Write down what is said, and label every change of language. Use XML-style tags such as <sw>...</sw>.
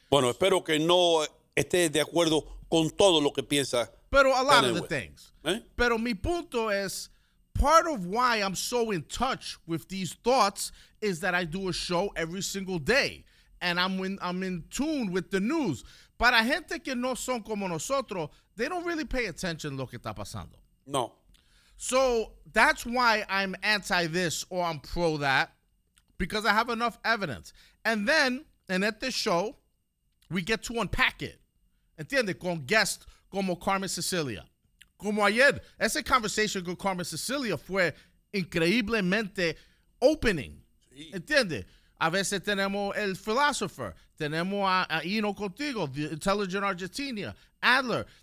<es>Bueno, espero que no esté de acuerdo con todo lo que piensa. Pero</es> <en>a lot of the things.</en> <es>Pero mi punto es,</es> <en>part of why I'm so in touch with these thoughts is that I do a show every single day. And I'm in tune with the news.</en> <es>Para gente que no son como nosotros,</es> <en>they don't really pay attention to</en> <es>lo que está pasando. No.</es> <en>So that's why I'm anti this or I'm pro that, because I have enough evidence. And then, and at this show, we get to unpack it.</en> <es>¿Entiende? Con guests como Carmen Cecilia. Como ayer, esa conversation con Carmen Cecilia fue increíblemente opening. Sí. ¿Entiende? A veces tenemos el philosopher. Tenemos a Eno Contigo, the intelligent Argentina, Adler.</es>